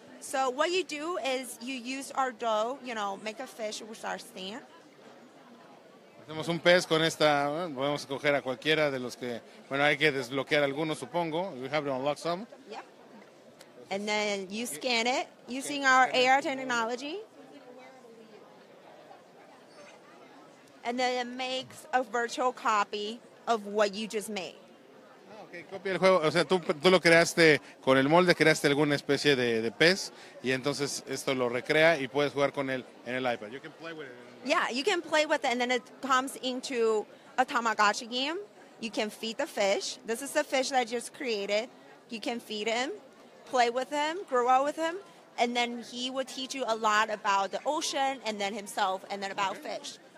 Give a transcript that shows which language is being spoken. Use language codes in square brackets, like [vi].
[en] So what you do is you use our dough, you know, make a fish with our stand. [es] Hacemos un pez con esta, podemos escoger a cualquiera de los que, bueno, hay que desbloquear algunos, supongo. [en] We have to unlock some. Yep. And then you scan it using our AR technology. And then it makes a virtual copy of what you just made. [es] Copia el juego, o sea, tú lo creaste con el molde, creaste alguna especie de pez, y entonces esto lo recrea y puedes jugar con él en el iPad. [en] You can play with it. Yeah, you can play with it, and then it comes into a Tamagotchi game. You can feed the fish. This is the fish that I just created. You can feed him, play with him, grow up with him, and then he will teach you a lot about the ocean, and then himself, and then about fish.